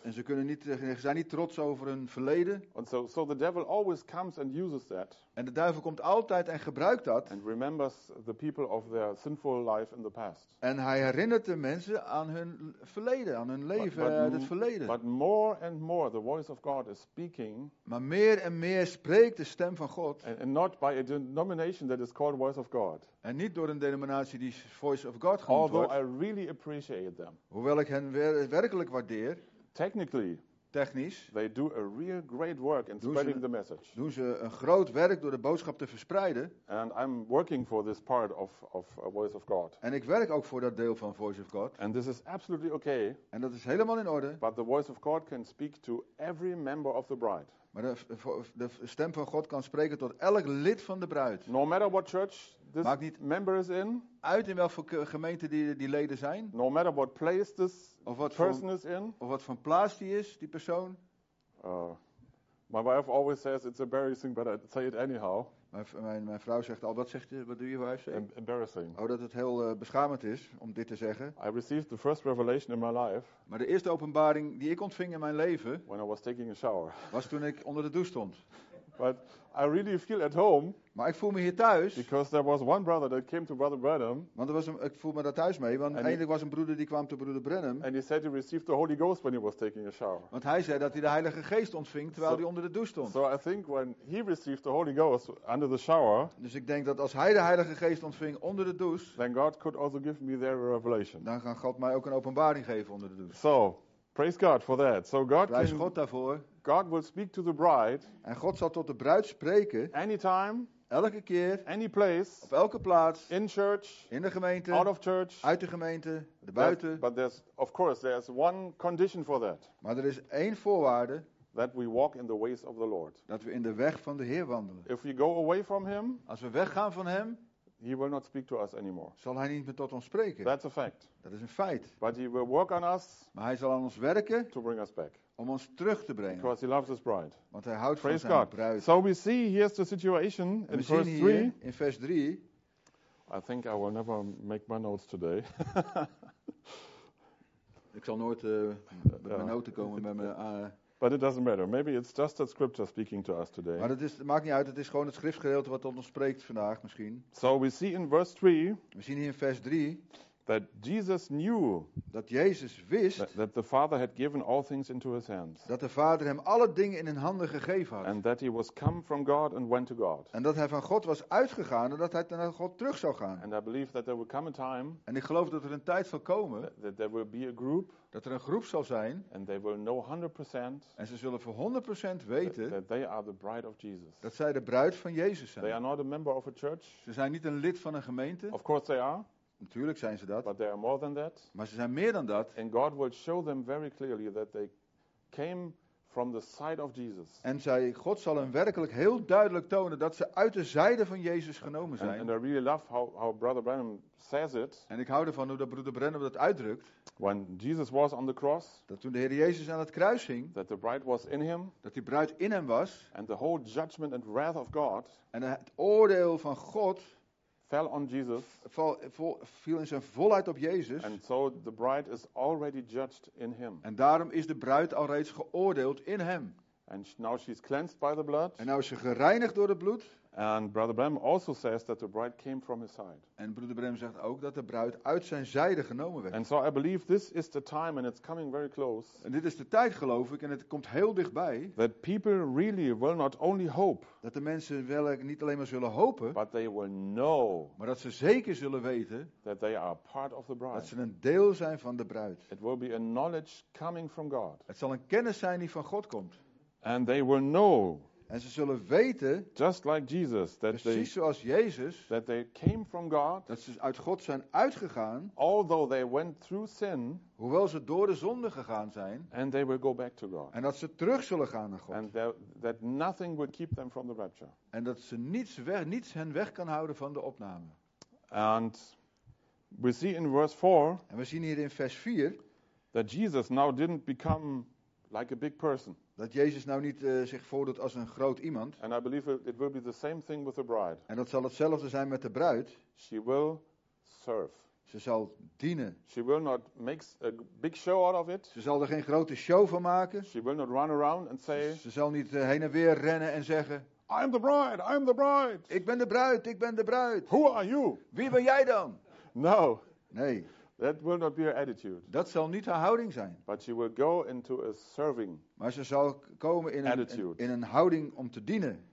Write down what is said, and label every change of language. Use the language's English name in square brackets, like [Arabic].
[Dutch] En ze kunnen niet, ze zijn niet trots over hun verleden. [English] And so the devil always comes and uses that. [Dutch] En de duivel komt altijd en gebruikt dat. [English] And remembers the people of their sinful life in the past. [Dutch] En hij herinnert de mensen aan hun verleden, aan hun leven uit het verleden. [English] But more and more the voice of God is speaking. [Dutch] Maar meer en meer spreekt de stem van God. [English] And not by a denomination that is called voice of God. [Dutch] En niet door een denominatie die Voice of God genoemd [English] Although [Dutch] wordt. [English] I really appreciate them. [Dutch] Hoewel ik hen werkelijk waardeer. Technisch. [English] They do a real great work in spreading the message. [Dutch] Doen ze een groot werk door de boodschap te verspreiden. [English] And I'm working for this part of Voice of God. [Dutch] En ik werk ook voor dat deel van Voice of God. [English] And this is absolutely okay. [Dutch] En dat is helemaal in orde. [English] But the Voice of God can speak to every member of the bride. [Dutch] Maar de stem van God kan spreken tot elk lid van de bruid. [English] No matter what church this [Dutch] maakt niet [English] member is in. [Dutch] Uit in welke gemeente die leden zijn. [English] No matter what place this person is in. [Dutch] Of wat van plaats die is, die persoon. [English] My wife always says it's embarrassing, but I say it anyhow. [Dutch] Mijn vrouw zegt al, wat zegt je, wat doe je wife? [English] Embarrassing. [Dutch] Oh, dat het heel beschamend is om dit te zeggen. [English] I received the first revelation in my life. [Dutch] Maar de eerste openbaring die ik ontving in mijn leven. [English] When I was taking a shower. [Dutch] Was toen ik onder de douche stond. [English] But I really feel at home. [Dutch] Maar ik voel me hier thuis. [English] Because there was one brother that came to Brother Branham. [Dutch] Want ik voel me daar thuis mee, want eindelijk was een broeder die kwam te Broeder Branham. [English] And he said he received the Holy Ghost when he was taking a shower. [Dutch] Want hij zei dat hij de Heilige Geest ontving terwijl hij onder de douche stond. [English] So I think when he received the Holy Ghost under the shower. [Dutch] Dus ik denk dat als hij de Heilige Geest ontving onder de douche. [English] Then God could also give me there a revelation. [Dutch] Dan kan God mij ook een openbaring geven onder de douche. [English] So praise God for that. So God. [Dutch] Prijs God daarvoor. [English] God will speak to the bride. [Dutch] En God zal tot de bruid spreken. [English] Anytime. [Dutch] Elke keer. [English] Any place. [Dutch] Op elke plaats. [English] In church. [Dutch] In de gemeente. [English] Out of church. [Dutch] Uit de gemeente. De buiten. [English] But there's, of course, there's one condition for that. [Dutch] Maar er is één voorwaarde. [English] That we walk in the ways of the Lord. [Dutch] Dat we in de weg van de Heer wandelen. [English] If we go away from Him. [Dutch] Als we weggaan van Hem. [English] He will not speak to us anymore. [Dutch] Zal hij niet meer tot ons spreken? [English] That's a fact. [Dutch] Dat is een feit. [English] But he will work on us. [Dutch] Maar hij zal aan ons werken. [English] To bring us back. [Dutch] Om ons terug te brengen. [English] Because he loves his bride. [Dutch] Want hij houdt [English] Praise [Dutch] van zijn [English] God. [Dutch] Bruid. [English] So we see here's the situation [Dutch] en [English] in verse 3. [Dutch] In vers 3. [English] I think I will never make my notes today. [Dutch] Ik zal nooit met mijn noten komen bij mijn. [English] But it doesn't matter. Maybe it's just that scripture speaking to us today. [Dutch] Maar het maakt niet uit. Het is gewoon het schriftgedeelte wat tot ons spreekt vandaag misschien. [English] So we see in verse 3. [Dutch] We zien hier in vers 3. [English] That Jesus knew. [Dutch] Dat Jezus wist. [English] That the Father had given all things into his hands. [Dutch] Dat de Vader hem alle dingen in hun handen gegeven had. [English] And that he was come from God and went to God. [Dutch] En dat hij van God was uitgegaan en dat hij naar God terug zou gaan. [English] And I believe that there will come a time. [Dutch] En ik geloof dat er een tijd zal komen. [English] That there will be a group. [Dutch] Dat er een groep zal zijn. [English] And they will know 100%. [Dutch] En ze zullen voor 100% weten. [English] That they are the bride of Jesus. [Dutch] Dat zij de bruid van Jezus zijn. [English] They are not a member of a church. [Dutch] Ze zijn niet een lid van een gemeente. [English] Of course they are. [Dutch] Natuurlijk zijn ze dat. [English] But they are more than that. [Dutch] Maar ze zijn meer dan dat. [English] And God will show them very clearly that they came from the side of Jesus. [Dutch] En zij, God zal hen werkelijk heel duidelijk tonen dat ze uit de zijde van Jezus genomen zijn. [English] And I really love how Brother Branham says it. [Dutch] En ik hou ervan hoe dat Broeder Branham dat uitdrukt. [English] When Jesus was on the cross. [Dutch] Dat toen de Heer Jezus aan het kruis hing. [English] That the bride was in him. [Dutch] Dat die bruid in hem was. [English] And the whole judgment and wrath of God. [Dutch] En het oordeel van God. [English] Fell on Jesus. [Dutch] Viel in zijn volheid op Jezus. [English] And so the bride is already judged in him. [Dutch] En daarom is de bruid al reeds geoordeeld in hem. [English] And now she's cleansed by the blood. [Dutch] En nu is ze gereinigd door het bloed. [English] And Brother Branham also says that the bride came from his side. [Dutch] En Broeder Branham zegt ook dat de bruid uit zijn zijde genomen werd. [English] And so I believe this is the time and it's coming very close. [Dutch] En dit is de tijd geloof ik en het komt heel dichtbij. [English] That people really will not only hope. [Dutch] Dat de mensen wel niet alleen maar zullen hopen. [English] But they will know. [Dutch] Maar dat ze zeker zullen weten. [English] That they are part of the bride. [Dutch] Dat ze een deel zijn van de bruid. [English] It will be a knowledge coming from God. [Dutch] Het zal een kennis zijn die van God komt. [English] And they will know. [Dutch] En ze zullen weten, [English] just like Jesus, that [Dutch] precies [English] they, [Dutch] zoals Jezus, [English] that they came from God, [Dutch] dat ze uit God zijn uitgegaan, [English] although they went through sin, [Dutch] hoewel ze door de zonde gegaan zijn, [English] and they will go back to God. [Dutch] En dat ze terug zullen gaan naar God. [English] And that, that nothing will keep them from the rapture. [Dutch] En dat ze niets hen weg kan houden van de opname. [English] And we see in verse 4, [Dutch] en we zien hier in vers 4, [English] that Jesus now didn't become like a big person. [Dutch] Dat Jezus nou niet zich voordoet als een groot iemand. [English] And I believe it will be the same thing with the bride. [Dutch] En dat zal hetzelfde zijn met de bruid. [English] She will serve. [Dutch] Ze zal dienen. [English] She will not make a big show out of it. [Dutch] Ze zal er geen grote show van maken. [English] She will not run around and say, [Dutch] ze zal niet heen en weer rennen en zeggen, [English] I'm the bride, I'm the bride. [Dutch] Ik ben de bruid, ik ben de bruid. [English] Who are you? [Dutch] Wie ben jij dan? [English] No. [Dutch] Nee. [English] That will not be her attitude. [Dutch] Dat zal niet haar houding zijn. [English] But she will go into a serving. [Dutch] Maar ze zal komen in een houding om te dienen.